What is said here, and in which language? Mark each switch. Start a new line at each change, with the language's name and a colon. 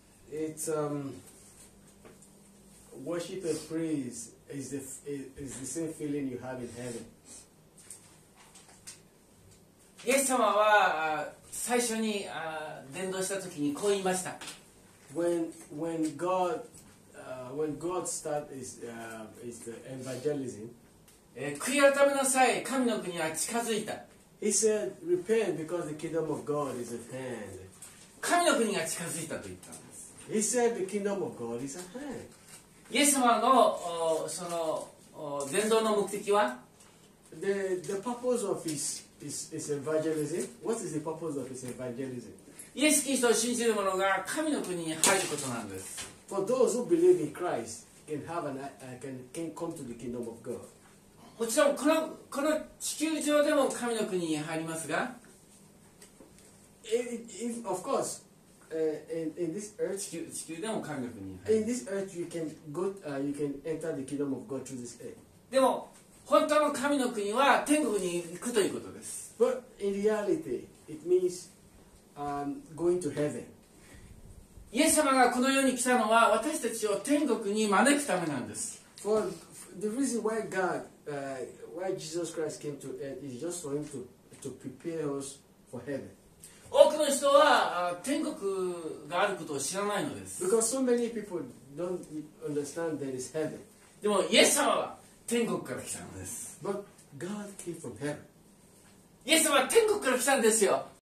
English: It's worship and praise is the same feeling you have in heaven.
Japanese: イエス様は最初に伝道した時にこう言いました。
English: When God started evangelism,
Japanese: 悔い改めなさい、神の国は近づいた。
English: He said, "Repent, because the kingdom of God is at hand."
Japanese: 神の国が近づいたと言ったんです。
English: He said, "The kingdom of God is at hand."
Japanese: イエス様のその伝道の目的は
English: The purpose of his evangelism. What is the purpose of his evangelism?
Japanese: イエスキリストを信じる者が神の国に入ることなんです。
English: For those who believe in Christ can have can come to the kingdom of God.
Japanese: もちろんこの地球上でも神の国に入りますが、
English: of course, in this earth,
Japanese: 地球でも神の国に入る。
English: In this earth, you can go, you can enter the kingdom of God through this earth.
Japanese: でも本当の神の国は天国に行くということです。
English: But in reality, it means, going to heaven.
Japanese: イエス様がこの世に来たのは私たちを天国に招くためなんです。
English: For the reason why God why Jesus Christ came to earth is just for him to prepare us for heaven.
Japanese: 多くの人は天国があることを知らないのです。
English: Because so many people don't understand there is heaven.
Japanese: でもイエス様は天国から来たのです。
English: But God came from heaven.
Japanese: イエス様は天国から来たんですよ。